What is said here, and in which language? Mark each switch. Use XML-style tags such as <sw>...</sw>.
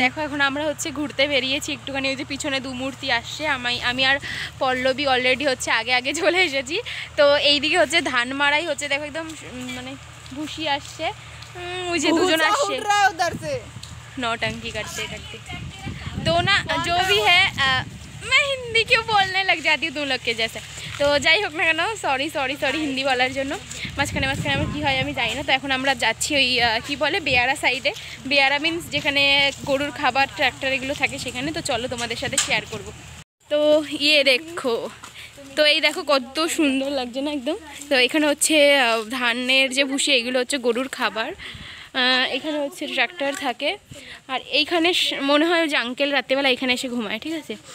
<bn>দেখো এখন আমরা হচ্ছে ঘুরতে বেরিয়েছি একটুখানি, ওই যে পিছনে দু মূর্তি আসছে, আমি আর পল্লবী অলরেডি হচ্ছে আগে আগে চলে এসেছি। তো এইদিকে হচ্ছে ধান মাড়াই হচ্ছে, দেখো একদম মানে ভুষি আসছে, ওই যে দুজন আসছে নটাঙ্কি কাটতে কাটতে।</bn> <hi>तो ना जो भी है मैं हिंदी क्यों बोलने लग जाती हूँ तुम लोग के जैसे,</hi> <bn>तो जाइ होक ना क्या सॉरी सॉरी सॉरी हिंदी बोलार जन्य মাঝখানে মাঝখানে আমার কী হয় আমি জানি না। তো এখন আমরা যাচ্ছি ওই কী বলে বেয়ারা সাইডে, বেয়ারা মিন্স যেখানে গরুর খাবার ট্র্যাক্টর এগুলো থাকে সেখানে। তো চলো তোমাদের সাথে শেয়ার করবো। তো ইয়ে দেখো, তো এই দেখো কত সুন্দর লাগছে না একদম। তো এখানে হচ্ছে ধানের যে ভুষি এগুলো হচ্ছে গরুর খাবার, এখানে হচ্ছে ট্র্যাক্টর থাকে, আর এইখানে মনে হয় যে আঙ্কেল রাত্রেবেলা এখানে এসে ঘুমায়, ঠিক আছে।</bn>